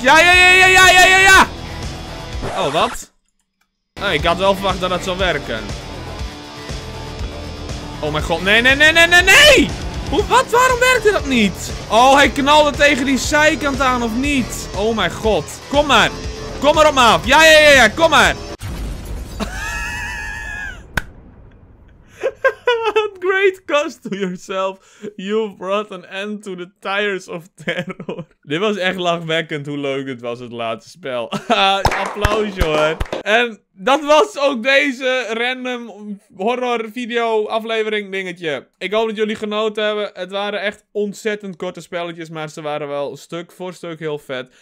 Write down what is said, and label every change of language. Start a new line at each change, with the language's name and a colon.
Dutch: Ja, ja, ja, ja, ja, ja, ja, ja! Oh, wat? Oh, ik had wel verwacht dat dat zou werken. Oh mijn god, nee! Hoe, wat, waarom werkte dat niet? Oh, hij knalde tegen die zijkant aan, of niet? Oh mijn god, kom maar op me af, ja, kom maar!
English: Great cost to yourself, you brought an end to the tires of terror.
Dutch: Dit was echt lachwekkend hoe leuk het was, het laatste spel. Applaus, hoor. En dat was ook deze random horror video aflevering dingetje. Ik hoop dat jullie genoten hebben. Het waren echt ontzettend korte spelletjes, maar ze waren wel stuk voor stuk heel vet.